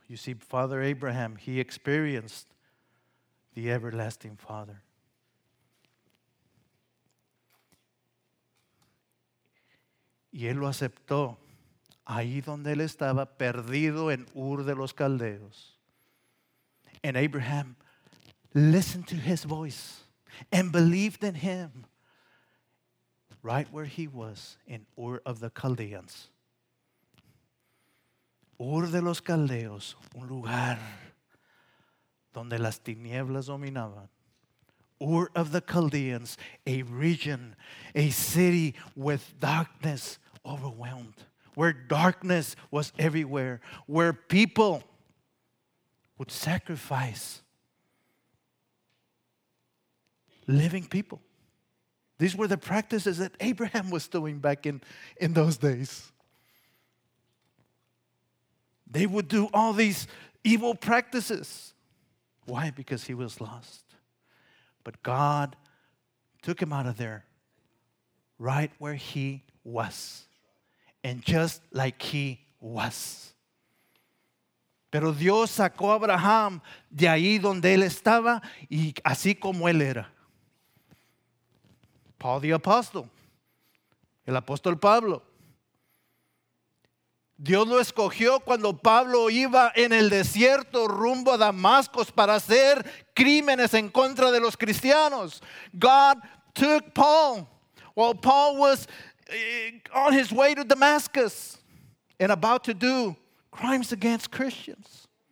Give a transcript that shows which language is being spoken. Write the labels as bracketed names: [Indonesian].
[English] You see, Father Abraham, he experienced the everlasting Father. [Spanish] Y él lo aceptó ahí donde él estaba, perdido en Ur de los Caldeos. [English] And Abraham listened to his voice and believed in him right where he was in Ur of the Chaldeans. [Spanish] Ur de los Caldeos, un lugar donde las tinieblas dominaban. [English] Ur of the Chaldeans, a region, a city with darkness overwhelmed, where darkness was everywhere, where people would sacrifice living people. These were the practices that Abraham was doing back in those days. They would do all these evil practices. Why? Because he was lost. But God took him out of there, right where he was. And just like he was. [Spanish] Pero Dios sacó a Abraham de ahí donde él estaba y así como él era. [English] Paul the Apostle, [Spanish] el apóstol Pablo. Dios lo escogió cuando Pablo iba en el desierto rumbo a Damasco para hacer crímenes en contra de los cristianos. [English] God took Paul while Paul was on his way to Damascus and about to do crimes against Christians.